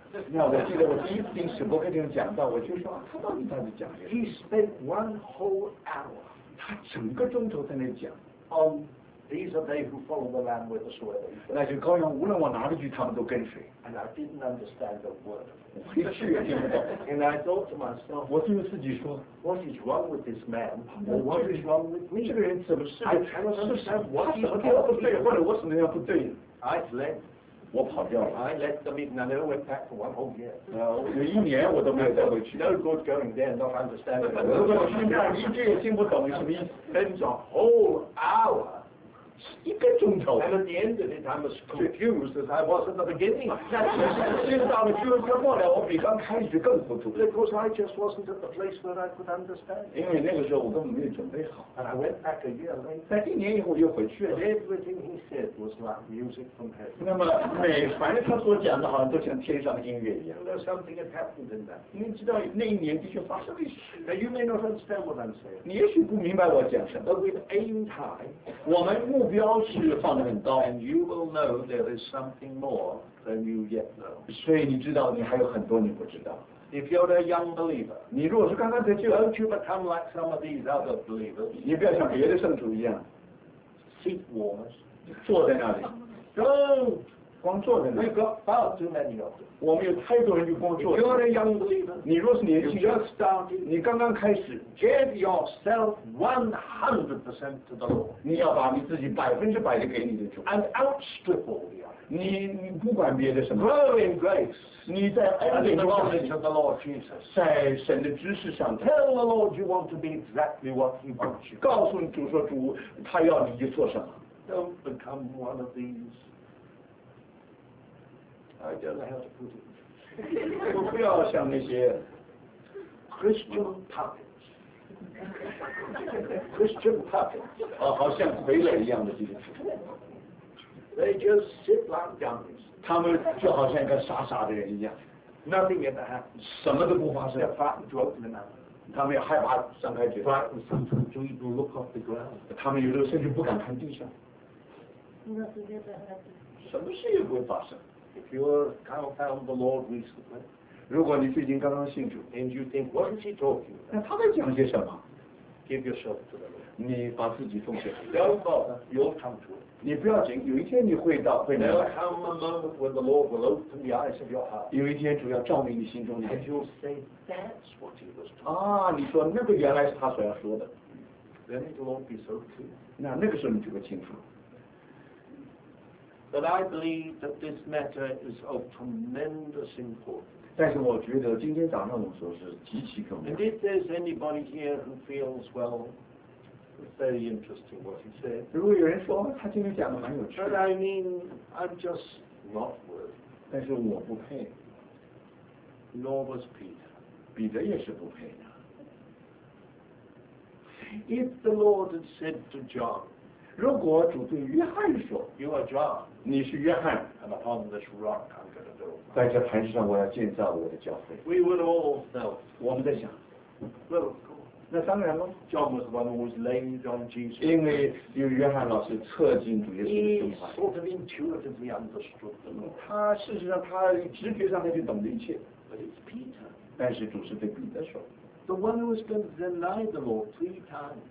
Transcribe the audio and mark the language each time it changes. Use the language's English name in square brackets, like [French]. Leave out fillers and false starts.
[Chinese] 那我记得我第一次听史伯克先生讲到，我就说、啊、他到底在讲什么 [English] ？He spent one whole hour. [Chinese] 他整个钟头在那讲。 [English] On these are they who follow the Lamb with the sword. [Chinese] 那就高阳，无论往哪里去，他们都跟随。 [English] And I didn't understand a word. [Chinese] 我一句也听不懂。 [English] And I thought to myself. [Chinese] 我对自己说 [English] ，What is wrong with this man? Or what is wrong with me? [Chinese] 这个人怎么是 [English] ？I cannot understand what is wrong with me. [Chinese] 或者我什么样不对 [English] ？I fled. [Chinese] 我跑掉了。 [English] I let them in and I never went back for one whole year. [Chinese] 有一年我都没有再回去。 [English] No good going there, not understanding. [Chinese] 如果去那儿一句也听不懂，什么意思 [English] ？Spends a whole hour. [Chinese] 一个钟头。 [English] And at the end of it, I'm as confused as I was at the beginning. [Chinese] 那真是到了聚会快末了，我比刚开始更糊涂。 [English] Because I just wasn't at the place where I could understand. [Chinese] 因为那个时候我根本没有准备好。 [English] And I went back a year later. [Chinese] 但一年以后又回去了。 [English] And everything he said was like music from heaven. [Chinese] 那么每凡他所讲的，好像都像天上的音乐一样。 [English] You know something had happened in that. [Chinese] 您知道那一年的确发生了事。 [English] Now you may not understand what I'm saying. [Chinese] 你也许不明白我讲什么。 [English] But with aim high, [Chinese] 我们目标。标是放得很高 [English] ，and you will know there is something more than you yet know. [Chinese] 所以你知道，你还有很多你不知道。 [English] If you're a young believer, [Chinese] 你如果是刚刚得救 [English] ，don't you become like some of these other believers? [Chinese] 你不要像别的圣徒一样 [English] ，seat warmers, [Chinese] 坐在那里 [English] ，don't [Chinese] 光坐在那里。 [English] We've got far too many of them. [Chinese] 我们有太多人就光坐。 [English] If you're a young believer, [Chinese] 你若是年轻 [English] ，just started, [Chinese] 你刚刚开始。 [English] Give yourself 100% to the Lord. [Chinese] 你要把你自己100%的给你的主。 [English] And outstrip all the others. [Chinese] 你不管别的什么。 [English] Grow in grace. [Chinese] 你在恩典中。 [English] And the knowledge of the Lord Jesus. [Chinese] 在神的知识上。 [English] Tell the Lord you want to be exactly what He wants you. [Chinese] 告诉你主说主他要你去做什么。 [English] Don't become one of these. I don't know how to put it. [Chinese] 不要像那些 [English] Christian puppets. Christian puppets. [Chinese] 哦，好像傀儡一样的这些。 [English] They just sit like dummies. [Chinese] 他们就好像跟傻傻的人一样。 [English] Nothing ever happens. [Chinese] 什么都不发生。 [English] They're frightened to open their mouth. [Chinese] 他们也害怕张开嘴。 [English] Frightened sometimes to even look off the ground. [Chinese] 他们有的甚至不敢看地下。 [English] Nothing ever happens. [Chinese] 什么事也不会发生。 [English] If you're kind of found the Lord recently. [Chinese] 如果你最近刚刚信主 [English] ，and you think what is he talking？ [Chinese] 那他在讲些什么 [English] give yourself to the Lord. [Chinese] 你把自己奉献。 [English] Don't bother. You'll come to it. [Chinese] 你不要紧，有一天你会到，会明白。 [English] There'll come a moment when the Lord will open the eyes of your heart. [Chinese] 有一天主要照明你心中的。 [English] And you'll say, "That's what he was talking." [Chinese] 啊，你说那个原来是他所要说的。 [English] Then it will be so clear. [Chinese] 那那个时候你就会清楚。 [English] But I believe that this matter is of tremendous importance. [Chinese] 但是我觉得今天早上我说是极其重要。 [English] And if there's anybody here who feels well, it's very interesting what he said. [Chinese] 如果有人说他今天讲的蛮有趣。 [English] But I mean, I'm just not worthy. [Chinese] 但是我不配。 [English] Nor was Peter. [Chinese] 彼得也是不配的。 [English] If the Lord had said to John, [Chinese] 如果主对约翰说 [English] "You are John," [Chinese] 你是约翰 [English] "And upon this rock, I'm going to build." [Chinese] 在这磐石上，我要建造我的教会。 [English] We would all know. [Chinese] 我们在想 [English] "Well, of [Chinese] course." 那当然了。 [English] John was the one who was laid on Jesus. [Chinese] 因为有约翰老师侧进主耶稣的胸怀。 [English] He sort of intuitively understood them. [Chinese] 他事实上，他直觉上他就懂得一切。 [English] But it's Peter. [Chinese] 但是主是对彼得说。 [English] The one who is going to deny the Lord three times.